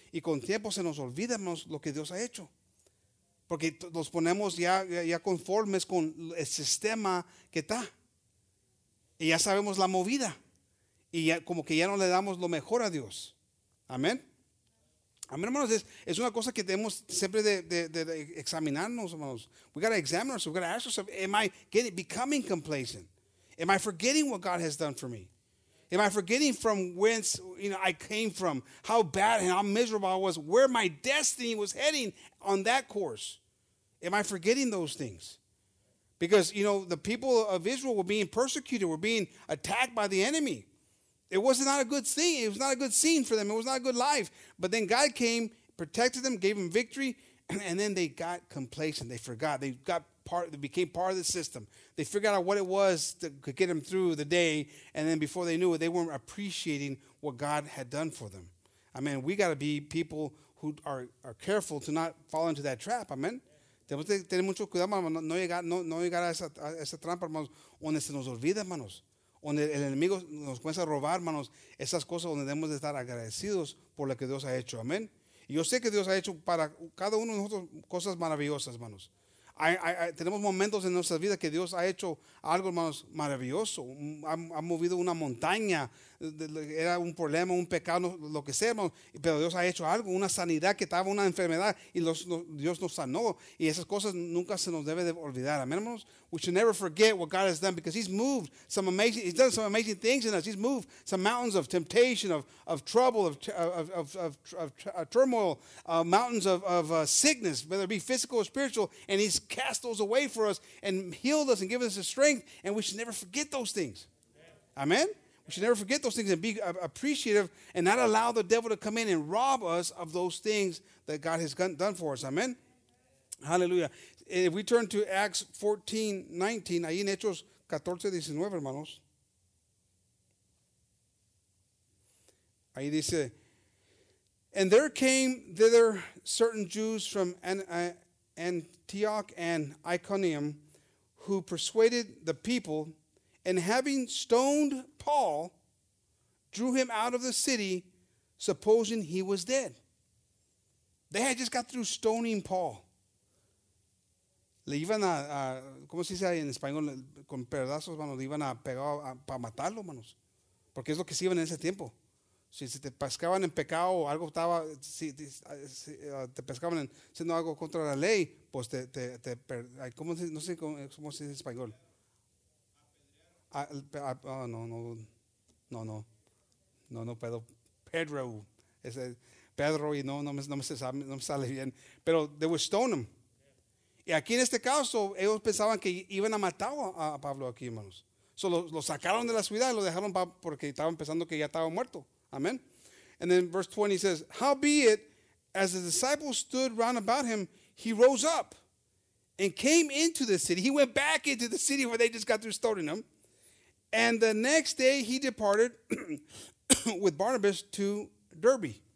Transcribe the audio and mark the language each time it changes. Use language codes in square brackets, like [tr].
[es] Y con tiempo se nos olvida, hermanos, lo que Dios ha hecho. Porque nos ponemos ya conformes con el sistema que está. Y ya sabemos la movida. Y ya, como que ya no le damos lo mejor a Dios. Amén. Amén, hermanos. Es una cosa que tenemos siempre de examinarnos, hermanos. [en] We got to examine ourselves. We got to ask ourselves, becoming complacent? Am I forgetting what God has done for me? Am I forgetting from whence, you know, I came from? How bad and how miserable I was? Where my destiny was heading on that course? Am I forgetting those things? Because, you know, the people of Israel were being persecuted, were being attacked by the enemy. It was not a good scene. It was not a good scene for them. It was not a good life. But then God came, protected them, gave them victory, and then they got complacent. They forgot. They became part of the system. They figured out what it was that could get them through the day, and then before they knew it, they weren't appreciating what God had done for them. I mean, we got to be people who are careful to not fall into that trap. Amen. [es] Tenemos que tener mucho cuidado, hermanos. No llegar a esa trampa, hermanos, donde se nos olvida, hermanos. donde el enemigo nos comienza a robar, manos, esas cosas donde debemos de estar agradecidos por lo que Dios ha hecho. Amén. Y yo sé que Dios ha hecho para cada uno de nosotros cosas maravillosas, manos. Tenemos momentos en nuestra vida que Dios ha hecho algo, hermanos, maravilloso. Ha movido una montaña, era un problema, un pecado, lo que sea, hermanos. Pero Dios ha hecho algo, una sanidad que estaba, una enfermedad, y Dios nos sanó. Y esas cosas nunca se nos debe de olvidar. Amén, hermanos. [en] We should never forget what God has done, because He's moved some amazing, He's done some amazing things in us. He's moved some mountains of temptation, of trouble, of turmoil, mountains of sickness, whether it be physical or spiritual, and He's cast those away for us and healed us and given us the strength, and we should never forget those things. Amen? We should never forget those things and be appreciative and not allow the devil to come in and rob us of those things that God has done for us. Amen? Hallelujah. If we turn to Acts 14, 19, [es] ahí en Hechos 14, 19, hermanos. Ahí dice, [en] and there came thither certain Jews from Antioch and Iconium, who persuaded the people, and having stoned Paul, drew him out of the city, supposing he was dead. They had just got through stoning Paul. [es] Le iban a ¿cómo se dice ahí en español? Con pedazos, manos, le iban a pegar para matarlo, manos. Porque es lo que se iban en ese tiempo. Si se te pescaban en pecado o algo estaba, si te pescaban en haciendo algo contra la ley, pues te ¿cómo se, no sé cómo se dice en español? Pedro, no me sale bien. [en] Pero they would stone him. [es] Y aquí en este caso, ellos pensaban que iban a matar a Pablo aquí, hermanos. So lo sacaron de la ciudad y lo dejaron porque estaban pensando que ya estaba muerto. [en] Amen. And then verse 20 says, howbeit, as the disciples stood round about him, he rose up and came into the city. He went back into the city where they just got through stoning him. And the next day he departed with Barnabas to Derbe.